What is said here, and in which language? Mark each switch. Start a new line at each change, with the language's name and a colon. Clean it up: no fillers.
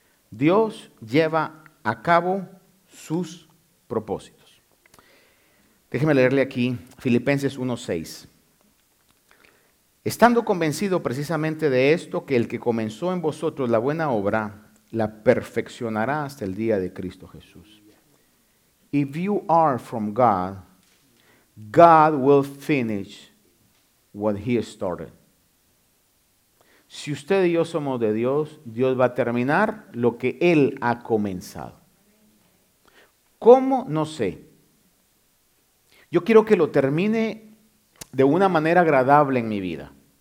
Spanish: Dios lleva a cabo sus propósitos. Déjeme leerle aquí Filipenses 1:6. Estando convencido precisamente de esto, que el que comenzó en vosotros la buena obra, la perfeccionará hasta el día de Cristo Jesús.
English: If you are from God, God will finish what he started.
Spanish: Si usted y yo somos de Dios, Dios va a terminar lo que Él ha comenzado. ¿Cómo? No sé. Yo quiero que lo termine de una manera agradable en mi vida.